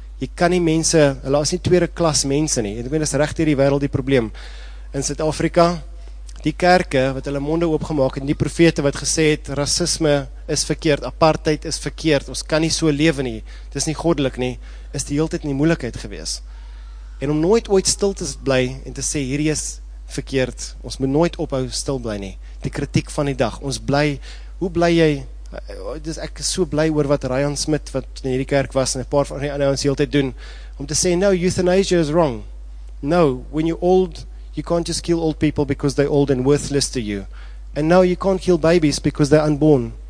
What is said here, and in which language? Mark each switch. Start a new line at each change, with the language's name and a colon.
Afrikaans: Jy kan nie mense, hulle is nie tweede klas mense nie. Ek meen, dis regdeur die wêreld die probleem. In Suid-Afrika, die kerke wat hulle monde oopgemaak het, die profete wat gesê het, rasisme is verkeerd, apartheid is verkeerd, ons kan nie so lewe nie, dis nie goddelik nie, is die hele tyd in die moeilikheid gewees. En om nooit ooit stil te bly en te sê, hierdie is verkeerd, ons moet nooit ophou stil bly nie. Die kritiek van die dag, ons bly, hoe bly jy, dis ek is so bly oor wat Ryan Smit, wat in hierdie kerk was, en 'n paar van die ander ons die hele tyd doen, om te sê,
English: no, euthanasia is wrong. No, when you're old, you can't just kill old people because they're old and worthless to you. And now you can't kill babies because they're unborn.